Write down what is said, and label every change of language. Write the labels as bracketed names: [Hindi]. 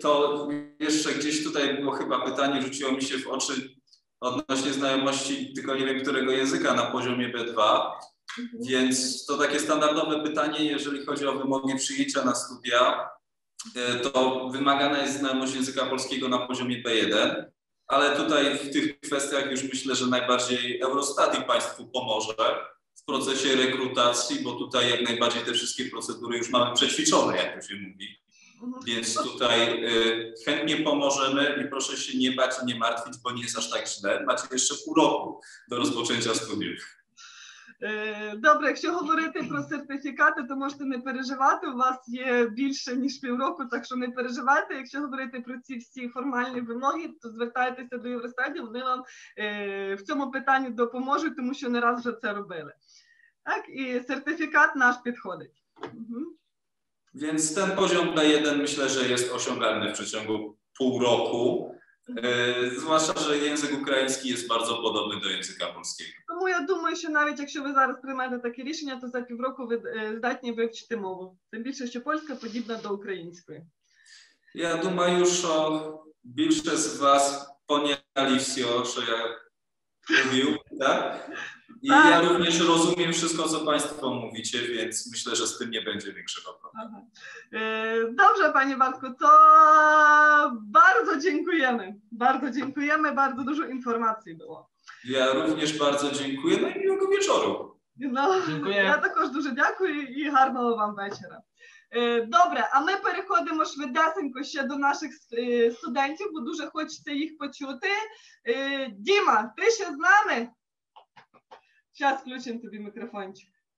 [Polish] To jeszcze gdzieś tutaj było chyba pytanie, rzuciło mi się w oczy odnośnie znajomości, tylko nie wiem którego języka, na poziomie B2, więc to takie standardowe pytanie, jeżeli chodzi o wymogi przyjęcia na studia, to wymagana jest znajomość języka polskiego na poziomie B1, ale tutaj w tych kwestiach już myślę, że najbardziej Eurostaty państwu pomoże w procesie rekrutacji, bo tutaj jak najbardziej te wszystkie procedury już mamy przećwiczone, jak to się mówi. Więc tutaj chętnie pomożemy i proszę się nie bać, nie martwić, bo nie jest aż tak źle. Macie jeszcze pół roku do rozpoczęcia studiów. [Ukrainian] Dobra, якщо говорити про сертифікати, то можете не переживати, у вас є більше, ніж півроку, так що не переживайте. Якщо говорити про ці всі формальні вимоги, то звертайтеся до Євростату, вони вам в цьому питанні допоможуть, тому що не раз вже це робили. Так, і сертифікат наш підходить. [Polish] Więc ten poziom B1 myślę, że jest osiągalny w przeciągu pół roku. Zwłaszcza, że język ukraiński jest bardzo podobny do języka polskiego. [Ukrainian] Тому я думаю, що навіть якщо ви зараз приймете таке рішення, то за півроку ви здатні вивчити мову. Тим більше, що польська подібна до української. Я думаю, що більше з вас поняли все, що я говорив, так? [Polish] I tak. Ja również rozumiem wszystko, co państwo mówicie, więc myślę, że z tym nie będzie większego problemu. Dobrze, panie Bartku, to bardzo dziękujemy. Bardzo dziękujemy, bardzo dużo informacji było. Ja również bardzo dziękuję, no i miłego wieczoru. No, [Ukrainian] дякую. Я також дуже дякую і гарного вам вечора. Добре, а ми переходимо швидесенько ще до наших студентів, бо дуже хочеться їх почути. Діма, ти ще з нами? Зараз включимо тобі мікрофончик.